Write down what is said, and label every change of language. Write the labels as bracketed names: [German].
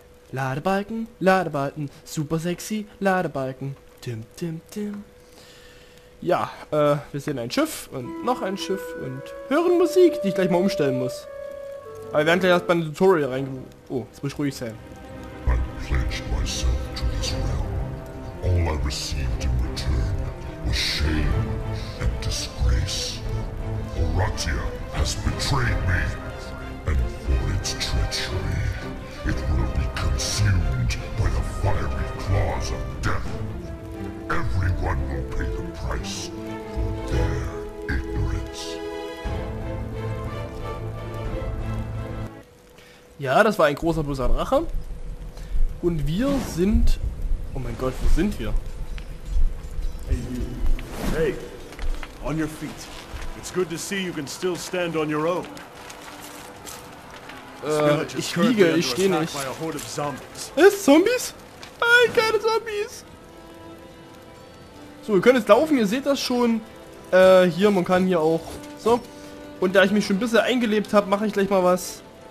[German] Ladebalken, Ladebalken, super sexy Ladebalken. Tim, tim, tim. Ja, wir sehen ein Schiff und noch ein Schiff und hören Musik, die ich gleich mal umstellen muss. Aber wir werden gleich erst bei einem Tutorial reingehen. Oh, jetzt muss ich ruhig sein. [English] I pledged myself to this realm. All I received in return was shame and disgrace. Oratia has betrayed me. And for its treachery, it will be consumed by the fiery claws of death. Everyone will pay the price for their ignorance. [German] Ja, das war ein großer böser Drache. Und wir sind... Oh mein Gott, wo sind wir? [English] Hey, you. Hey, on your feet. It's good to see you can still stand on your own. [German] Ich liege, ich stehe nicht. Ist Zombies? Nein, keine Zombies. So, wir können jetzt laufen, ihr seht das schon. Hier, man kann hier auch. So. Und da ich mich schon ein bisschen eingelebt habe, mache ich gleich mal was.